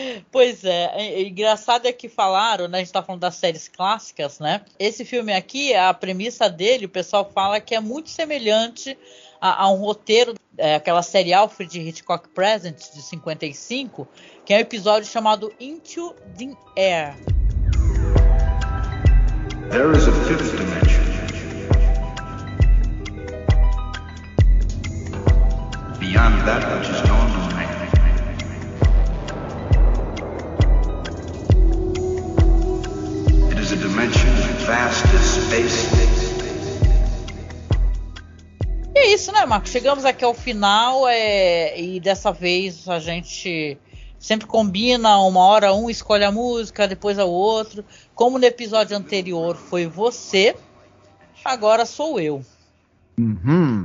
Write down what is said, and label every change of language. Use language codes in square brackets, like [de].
[pt] Pois é, engraçado é que falaram, né? A gente tá falando das séries clássicas, né? Esse filme aqui, a premissa dele, o pessoal fala que é muito semelhante a um roteiro, aquela série Alfred Hitchcock Presents, de 55, que é um episódio chamado Into the Air. [en] There is a fifth dimension. Beyond that which is known to man. It is a dimension vast as space. [pt] E é isso, né, Marco? Chegamos aqui ao final, e dessa vez a gente sempre combina uma hora, um escolhe a música, depois o outro. Como no episódio anterior foi você, agora sou eu. Uhum.